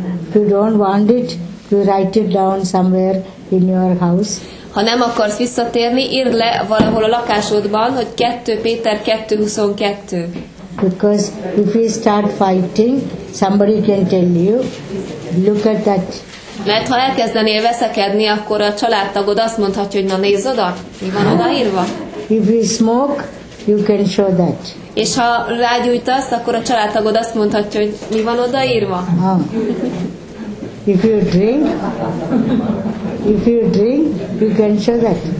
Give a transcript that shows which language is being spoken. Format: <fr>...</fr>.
<en>If you don't want it, you write it down somewhere in your house.</en> <hu>Ha nem akarsz visszatérni, írd le valahol a lakásodban, hogy 2 Péter 2:22.</hu> <en>Because if you start fighting, somebody can tell you, look at that.</en> <hu>Mert ha elkezdenél veszekedni, akkor a családtagod azt mondhatja, hogy na nézz oda, mi van odaírva.</hu> <en>If you smoke, you can show that.</en> <hu>És ha rágyújtasz, akkor a családtagod azt mondhatja, hogy mi van odaírva.</hu> <en>If you drink, you can show that.</en>